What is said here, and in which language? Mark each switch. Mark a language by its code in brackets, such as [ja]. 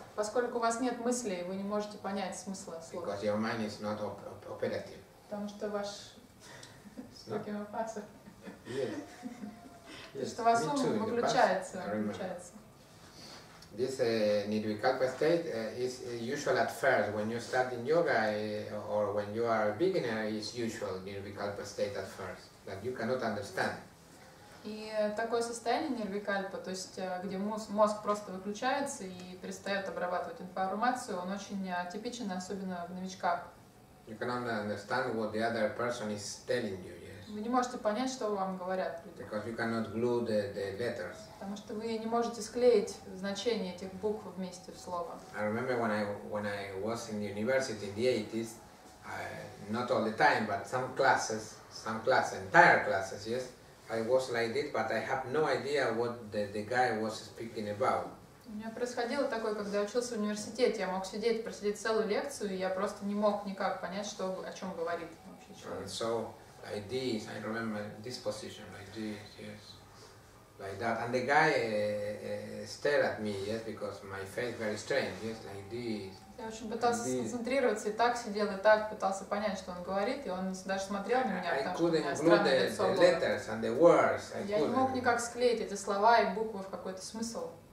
[ru] Поскольку у вас нет мыслей, вы не можете понять смысла слов. [en] Because your mind is not operative. [ru] Потому что ваш... Спокойно, паса. [en] Yes. Yes. [ru] То, что ваш ум выключается. [en] This Nirvikalpa state is usual at first. When you start in yoga or when you are a beginner, it's usual Nirvikalpa state at first. That you cannot understand. [ru] И такое состояние нирвикальпа, то есть где мозг просто выключается и перестает обрабатывать информацию, он очень типичен, особенно в новичках. [en] You cannot understand what the other person is telling you, yes. [ru] Вы не можете понять, что вам говорят люди. [en] Because you cannot glue the letters. [ru] Потому что вы не можете склеить значение этих букв вместе в слово. [en] I remember when I was in university in the 80s, not all the time, but some classes, entire classes, yes. I was like this, but I have no idea what the guy was speaking about. [ru] У меня происходило такое, когда я учился в университете. Я мог сидеть, просидеть целую лекцию, и я просто не мог никак понять, что о чем говорит вообще человек. [en] So, like this, I remember this position, like this, yes. Like that. And the guy stared at me, yes, because my face very strange, yes, like this. [ru] Я очень пытался сконцентрироваться, и так сидел, и так пытался понять, что он говорит, и он даже смотрел на меня, потому что у меня странное лицо было. [en] Letters and the words. [ru] Я не мог никак склеить эти слова и буквы в какой-то смысл.